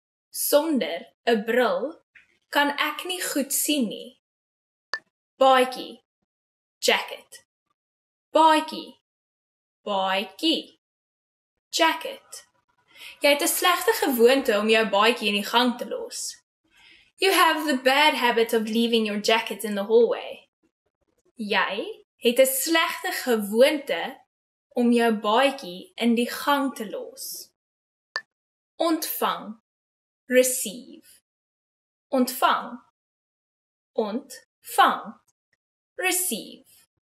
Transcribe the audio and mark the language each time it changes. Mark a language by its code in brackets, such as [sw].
[af] Sonder 'n bril kan ek nie goed sien nie. Baadjie. [en] Jacket. [af] Baadjie. Baadjie. [en] Jacket. [af] Jy het 'n slegte gewoonte om jou baadjie in die gang te los. [en] You have the bad habit of leaving your jacket in the hallway. [af] Jy het 'n slegte gewoonte om jou baadjie in die gang te los. Ontvang. [en] Receive. [af] Ontvang. Ontvang. [en] Receive.